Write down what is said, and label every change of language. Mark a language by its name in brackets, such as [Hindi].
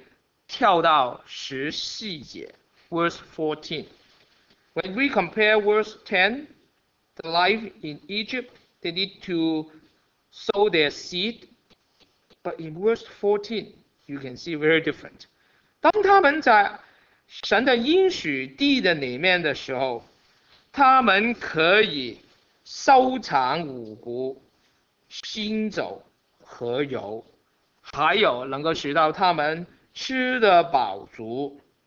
[Chinese] 他们要自己撒种在里面，才能够种的。在埃及的地方，他们的栽种是需要把他们所栽种的种子撒在地上面，才能够把谷物来到生长出来。但是我们看一下，在应许地里面，他们过的生活是怎么样的呢？请弟兄姐妹跳到10细节。 [English] Verse 14. When we compare verse 10, the life in Egypt, they need to sow their seed. But in verse 14, you can see very different. [Chinese] 当他们在神的应许地的里面的时候，他们可以收藏五谷、新酒和油，还有能够使到他们吃得饱足。